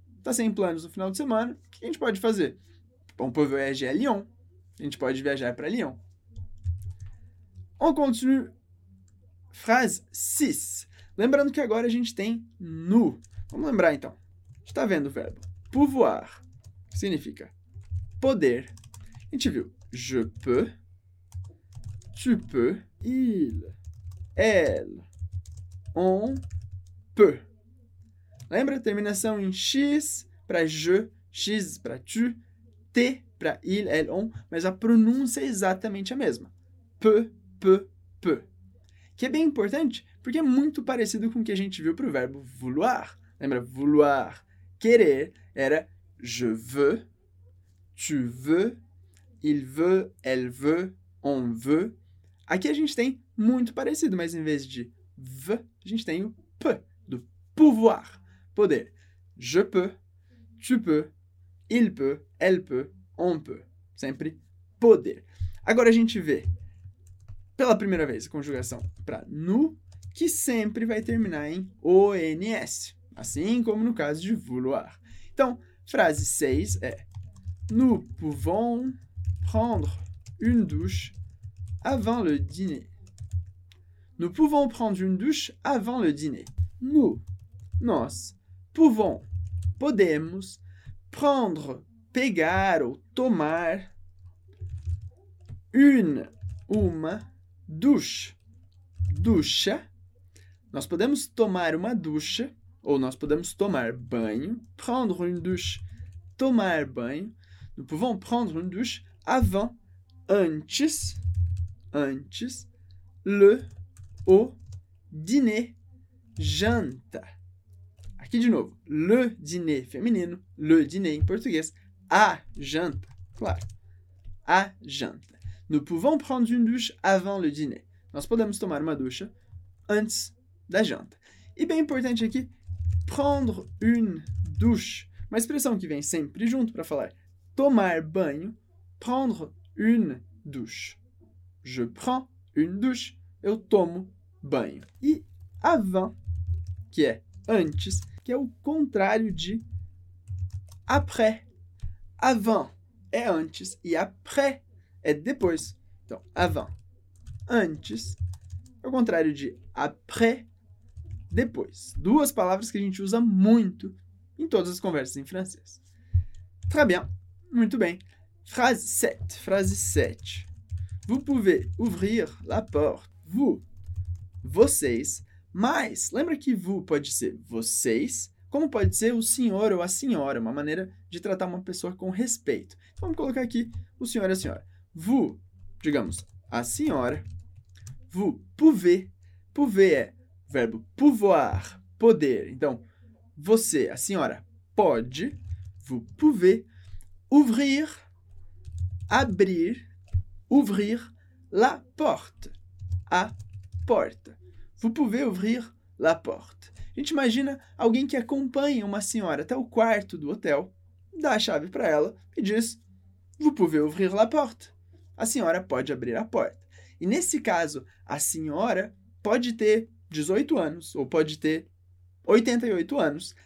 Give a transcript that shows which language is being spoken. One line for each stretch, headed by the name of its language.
Portuguese: Tá sem planos no final de semana, o que a gente pode fazer?
French: On peut voyager à Lyon,
Portuguese: a gente pode viajar para Lyon.
French: On continue, phrase 6.
Portuguese: Lembrando que agora a gente tem nu. Vamos lembrar então, a gente tá vendo o verbo pouvoir, significa poder. A gente viu
French: je peux, tu peux, il, elle, on peut.
Portuguese: Lembra? Terminação em x para je, x para tu, t para il, elle, on, mas a pronúncia é exatamente a mesma.
French: Peut, peut, peut.
Portuguese: Que é bem importante porque é muito parecido com o que a gente viu para o verbo vouloir. Lembra? Vouloir, querer, era
French: je veux. Tu veux, il veut, elle veut, on veut.
Portuguese: Aqui a gente tem muito parecido, mas em vez de v, a gente tem o p, do pouvoir, poder.
French: Je peux, tu peux, il peut, elle peut, on peut.
Portuguese: Sempre poder. Agora a gente vê, pela primeira vez, a conjugação para nous, que sempre vai terminar em ons, assim como no caso de vouloir. Então, frase 6 é:
French: nous pouvons prendre une douche avant le dîner. Nous pouvons prendre une douche avant le dîner.
Portuguese: Nous, nós, pouvons, podemos, prendre, pegar ou tomar une, uma, douche, ducha. Nós podemos tomar uma ducha ou nós podemos tomar banho.
French: Prendre une douche,
Portuguese: tomar banho.
French: Nous pouvons prendre une douche avant, antes, antes, le, au, dîner, janta.
Portuguese: Aqui de novo, le dîner feminino, le dîner em português, a janta, claro, a janta.
French: Nous pouvons prendre une douche avant le dîner.
Portuguese: Nós podemos tomar uma ducha antes da janta. E bem importante aqui,
French: prendre une douche,
Portuguese: uma expressão que vem sempre junto para falar tomar banho, prendre une douche.
French: Je prends une douche,
Portuguese: eu tomo banho. E avant, que é antes, que é o contrário de après. Avant é antes e après é depois. Então, avant, antes, é o contrário de après, depois. Duas palavras que a gente usa muito em todas as conversas em francês.
French: Très bien.
Portuguese: Muito bem.
French: Phrase 7. Phrase 7. Vous pouvez ouvrir la porte.
Portuguese: Vous. Vocês. Mas, lembra que vous pode ser vocês Como pode ser o senhor ou a senhora, uma maneira de tratar uma pessoa com respeito. Então, vamos colocar aqui o senhor e a senhora. Vous, digamos, a senhora.
French: Vous pouvez.
Portuguese: Pouvez é verbo pouvoir, poder. Então, você, a senhora, pode.
French: Vous pouvez ouvrir, abrir, ouvrir la porte.
Portuguese: A porta.
French: Vous pouvez ouvrir la porte.
Portuguese: A gente imagina alguém que acompanha uma senhora até o quarto do hotel, dá a chave para ela e diz:
French: Vous pouvez ouvrir la porte?
Portuguese: A senhora pode abrir a porta. E nesse caso, a senhora pode ter 18 anos ou pode ter 88 anos.